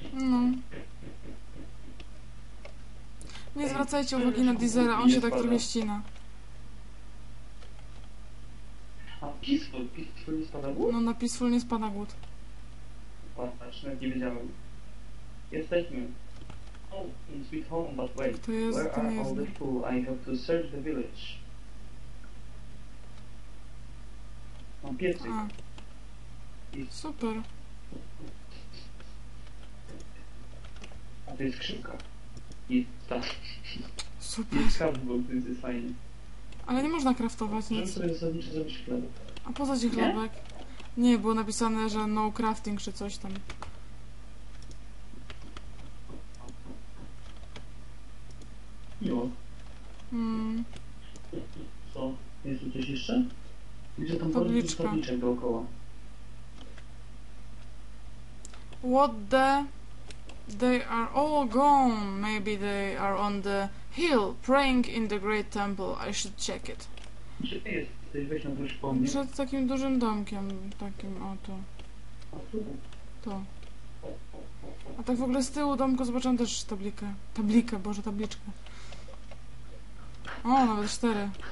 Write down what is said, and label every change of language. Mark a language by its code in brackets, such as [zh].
[pl] No. Nie zwracajcie uwagi na Deezera, on się tak trochę ścina. A Peaceful, Peaceful nie spada głód? No na Peaceful nie spada głód. Patrz, nawet nie wiedziałem. Jesteśmy. [en] Oh, in sweet home, but wait. [pl] To jest, [en] where [pl] to [en] are [pl] nie [en] all the people? I have to search the village. [pl] Mam piecyk. Super. A to jest skrzynka. I ta. Super. I skarbnik, to jest fajny. Ale nie można craftować nic. Możemy sobie zasadniczo zrobić chlebek. A poza ci chlebek? Nie? Nie, było napisane, że [en] no crafting [pl] czy coś tam. Miło. Mm. Co? Jest tu coś jeszcze? Gdzie tam tabliczka dookoła? [en] What the? They are all gone. Maybe they are on the hill praying in the great temple. I should check it. [pl] Gdzie jest? Ty weź nam coś pomnie. Przed takim dużym domkiem. Takim oto. To. A tak w ogóle z tyłu domku zobaczyłam też tablikę. Tablikę, Boże, tabliczkę. O, nawet 4.